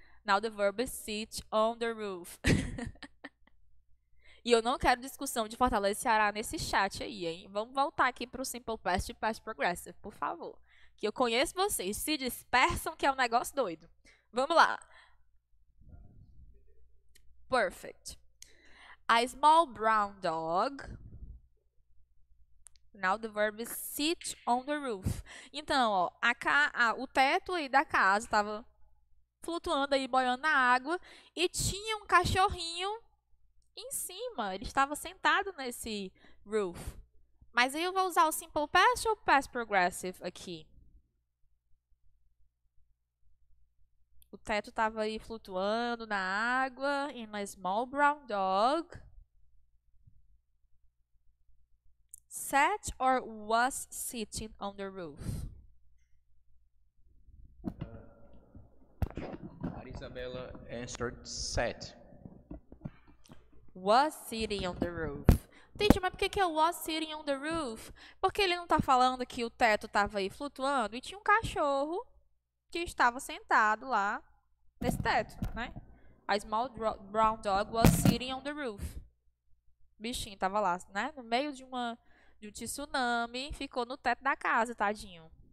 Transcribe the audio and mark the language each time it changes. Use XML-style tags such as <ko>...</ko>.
<en>Now the verb is sit on the roof.</en> <pt>E eu não quero discussão de Fortaleza e Ceará nesse chat aí, hein? Vamos voltar aqui para o Simple Past e Past Progressive, por favor. Que eu conheço vocês. Se dispersam, que é um negócio doido. Vamos lá.</pt> <en>Perfect. A small brown dog. Now the verb is sit on the roof.</en> <pt>Então, ó, o teto aí da casa estava flutuando aí, boiando na água. E tinha um cachorrinho em cima. Ele estava sentado nesse roof. Mas aí eu vou usar o simple past ou past progressive aqui? O teto estava aí flutuando na água.</pt> <en>In a small brown dog. Sat or was sitting on the roof? Isabella answered set. Was sitting on the roof. Teacher,</en> <pt>mas por que que é</pt> <en>was sitting on the roof?</en> <pt>Porque ele não está falando que o teto estava aí flutuando e tinha um cachorro que estava sentado lá. Nesse teto, né?</pt> <en>A small brown dog was sitting on the roof.</en> <pt>Bichinho tava lá, né? No meio de um tsunami, ficou no teto da casa, tadinho.</pt>